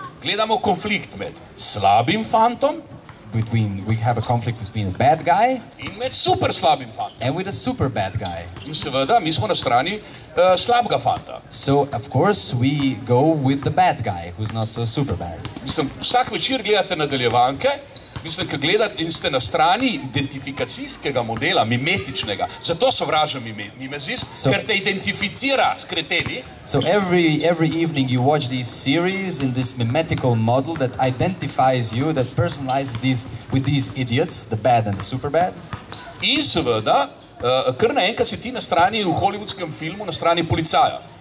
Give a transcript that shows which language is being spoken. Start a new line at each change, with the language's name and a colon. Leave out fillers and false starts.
Slovenian: Gledamo konflikt med slabim fantom.
English: Between, we have a conflict between a bad guy
Slovenian: in med super slabim fantom.
English: And with a super bad guy.
Slovenian: In seveda, mi smo na strani slabega fanta.
English: So, of course, we go with the bad guy, who's not so super bad.
Slovenian: Mislim, vsak večer gledate nadaljevanke, mislim, ki gledate in ste na strani identifikacijskega modela, mimetičnega. Zato sovražam mimezis, ker te identificira s kreteni.
English: So every evening you watch these series in this mimetical model that identifies you, that personalizes these with these idiots, the bad and the super bad.
Slovenian: In seveda, kar naenkrat si ti na strani v hollywoodskem filmu, na strani policaja.